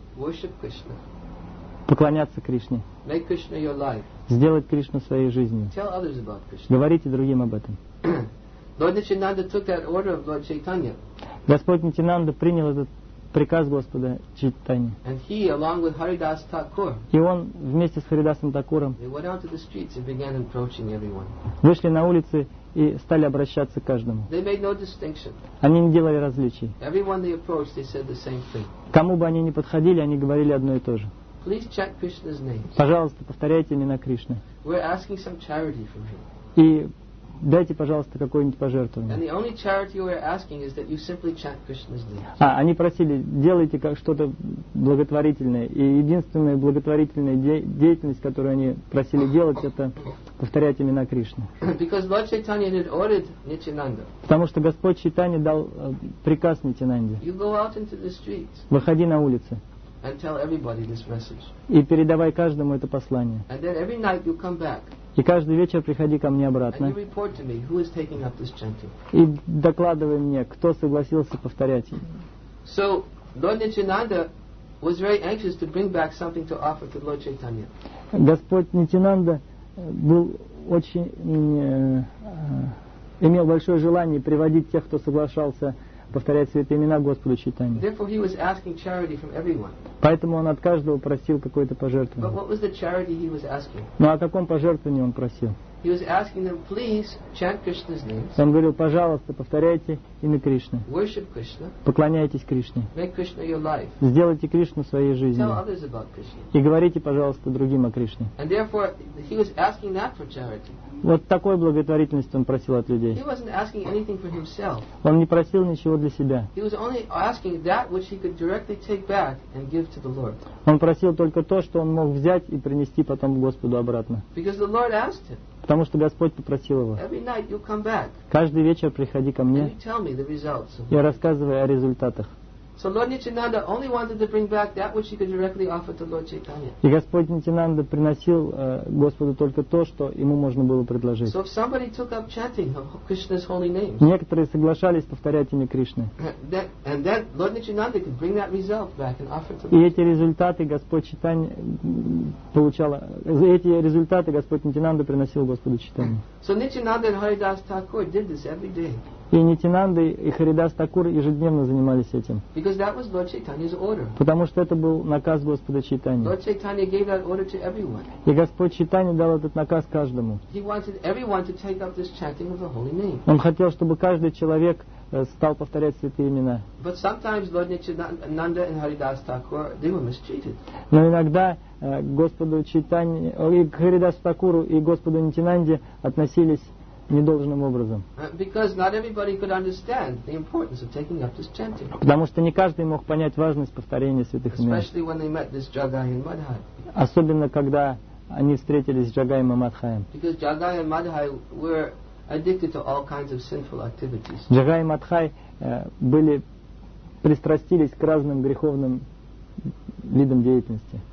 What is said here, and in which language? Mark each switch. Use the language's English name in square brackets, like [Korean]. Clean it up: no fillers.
[English] Worship Krishna. [Russian] Поклоняться Кришне. [English] Make Krishna your life. [Russian] Сделать Кришну своей жизнью. [English] Tell others about Krishna. [Russian] Говорите другим об этом. [English] Lord Nityananda took that order of Lord Chaitanya. [Russian] Господь Нитинанда принял этот приказ Господа Чайтаньи. [English] And he, along with Haridas Thakur, [Russian] и он вместе с Харидасом Такуром, [English] they went out to the streets and began approaching everyone. [Russian] Вышли на улицы и стали обращаться к каждому. [English] They made no distinction. [Russian] Они не делали различий. [English] Everyone they approached, they said the same thing. [Russian] Кому бы они ни подходили, они говорили одно и то же. [English] Please chant Krishna's name. [Russian] Пожалуйста, повторяйте имена Кришны. [English] We're asking some charity from him. [Russian] И дайте, пожалуйста, какое-нибудь пожертвование. [English] And the only charity we're asking is that you simply chant Krishna's name. [Russian] А, они просили, делайте как что-то благотворительное. И единственная благотворительная деятельность, которую они просили делать, это повторять имена Кришны. [English] Because Lord Chaitanya had ordered Nityananda. [Russian] Потому что Господь Чайтанья дал приказ Нитинанде. [English] You go out into the streets. [Russian] Выходи на улицы. [English] And tell everybody this message. [Russian] И передавай каждому это послание. [English] And then every night you come back. [Russian] И каждый вечер приходи ко мне обратно. [English] And you report to me who is taking up this chanting. [Russian] И докладывай мне, кто согласился повторять. [English] So Lord Nityananda was very anxious to bring back something to offer to Lord Chaitanya. [Russian] Господь Нитинанда был очень имел большое желание приводить тех, кто соглашался повторять святые имена Господу Чайтанье. [English] Therefore he was asking charity from everyone. [Russian] Поэтому он от каждого просил какое-то пожертвование. [English] But what was the charity he was asking? [Russian] Ну, о каком пожертвовании он просил? [English] He was asking them, please chant Krishna's names. [Russian] Он говорил, пожалуйста, повторяйте имя Кришны. [English] Worship Krishna. [Russian] Поклоняйтесь Кришне. [English] Make Krishna your life. [Russian] Сделайте Кришну своей жизнью. [English] Tell others about Krishna. [Russian] И говорите, пожалуйста, другим о Кришне. [English] And therefore he was asking that for charity. [Russian] Вот такой благотворительности он просил от людей. [English] He wasn't asking anything for himself. [Russian] Он не просил ничего для себя. [English] He was only asking that which he could directly take back and give to the Lord. [Russian] Он просил только то, что он мог взять и принести потом Господу обратно. [English] Because the Lord asked him. [Russian] Потому что Господь попросил его. [English] Every night you come back. [Russian] Каждый вечер приходи ко мне. [English] And you tell me the results. [Russian] Я рассказываю о результатах. [English] So Lord Nityananda only wanted to bring back that which he could directly offer to Lord Chaitanya. [Russian] И Господь Нитинанда приносил Господу только то, что ему можно было предложить. [English] So if somebody took up chanting of Krishna's holy names. [Russian] Некоторые соглашались повторять имя Кришны. [English] And then Lord Nityananda could bring that result back and offer to Lord. [Russian] И эти результаты Господь Чайтанья получал. Эти результаты Господь Нитинанда приносил Господу Чайтанья. [English] So Nityananda and Haridas Thakur did this every day. [Russian] И Нитинанда и Харидас Такур ежедневно занимались этим. [English] Because that was Lord Chaitanya's order. [Russian] Потому что это был наказ Господа Чайтаньи. [English] Lord Chaitanya gave that order to everyone. [Russian] И Господь Чайтанья дал этот наказ каждому. [English] He wanted everyone to take up this chanting of the holy name. [Russian] Он хотел, чтобы каждый человек стал повторять святые имена. [English] But sometimes Lord Nityananda and Haridas Thakur, they were mistreated. [Russian] Но иногда Господу Чайтанье, к Харидасу Такуру и Господу Нитинанде относились недолжным образом. [English] Because not everybody could understand the importance of taking up this chanting. [Russian] Потому что не каждый мог понять важность повторения святых имен. [English] Especially when they met this Jagai and Madhai. [Russian] Особенно когда они встретились с Джагаем и Мадхаем. [English] Because Jagai and Madhai were addicted to all kinds of sinful activities. [Russian] Джагай и Мадхай были пристрастились к разным греховным видам деятельности.